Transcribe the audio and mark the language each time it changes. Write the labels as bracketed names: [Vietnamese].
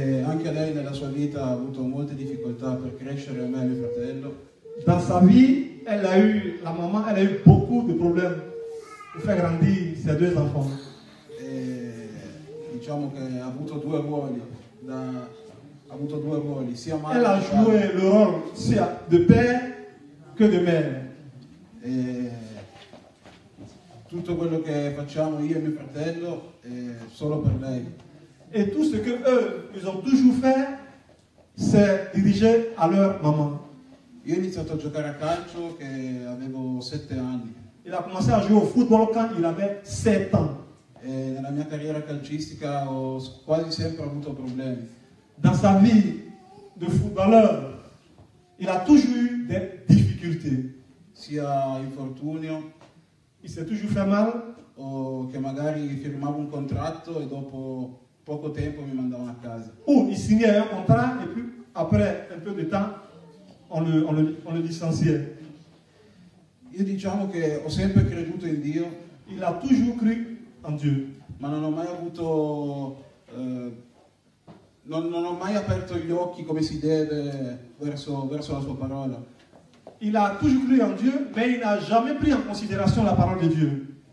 [Italian] Anche lei nella sua vita ha avuto molte difficoltà per crescere, me e mio fratello. [French] Dans sa vie, elle a eu, la maman, elle a eu beaucoup de problèmes pour faire grandir ses deux enfants. [Italian] Et, diciamo che ha avuto due ruoli, sia madre. [French] Elle a joué le rôle sia de père que de mère. [Italian] Et, tutto quello che facciamo io e mio fratello è solo per lei. [French] Et tout ce que eux, ils ont toujours fait, c'est dirigé à leur maman. [Italian] Io ho iniziato a giocare a calcio che avevo 7 anni. [French] Il a commencé à jouer au football quand il avait 7 ans. [Italian] E nella mia carriera calcistica ho quasi sempre avuto problemi. [French] Dans sa vie de footballeur, il a toujours eu des difficultés. [Italian] Sia infortunio. [French] Il s'est toujours fait mal. [Italian] O che magari firmavo un contratto e dopo poco tempo mi mandavano a casa. [French] O il signait un contrat e puis après un peu de temps, on le licenciait. [Italian] Io diciamo che ho sempre creduto in Dio. [French] Il a toujours cru en Dieu. [Italian] Ma non ho mai avuto, non ho mai aperto gli occhi come si deve verso la sua parola. [French] Il a toujours cru en Dieu, mais il n'a jamais pris en considération [Italian] la parola di Dio.